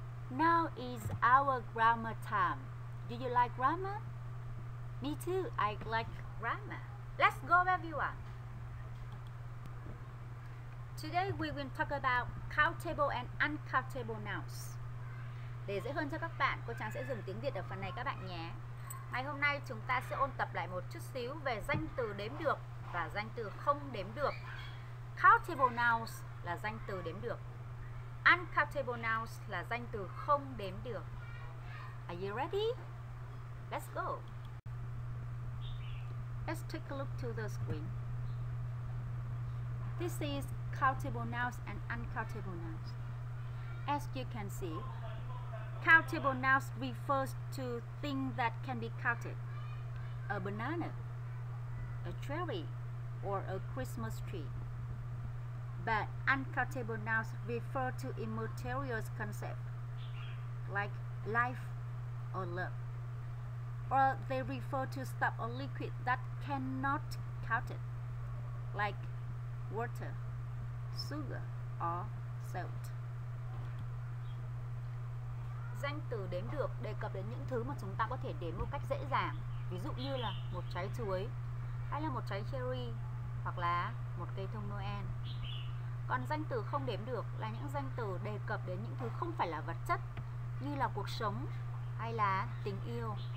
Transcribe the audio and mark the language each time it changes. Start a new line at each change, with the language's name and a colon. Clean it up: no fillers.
English: Now is our grammar time. Do you like grammar? Me too, I like grammar. Let's go, everyone. Today we will talk about countable and uncountable nouns.
Vietnamese: Để dễ hơn cho các bạn, cô Trang sẽ dùng tiếng Việt ở phần này các bạn nhé. Ngày hôm nay chúng ta sẽ ôn tập lại một chút xíu về danh từ đếm được và danh từ không đếm được. Countable nouns là danh từ đếm được. Uncountable nouns là danh từ không đếm được.
English: Are you ready? Let's go. Let's take a look to the screen. This is countable nouns and uncountable nouns. As you can see, countable nouns refers to things that can be counted. A banana, a cherry, or a Christmas tree. But uncountable nouns refer to immaterial concepts like life or love. Or they refer to stuff or liquid that cannot count it, like water, sugar, or salt.
Vietnamese: Danh từ đếm được đề cập đến những thứ mà chúng ta có thể đếm một cách dễ dàng. Ví dụ như là một trái chuối, hay là một trái cherry, hoặc là một cây thông Noel. Còn danh từ không đếm được là những danh từ đề cập đến những thứ không phải là vật chất, như là cuộc sống, hay là tình yêu,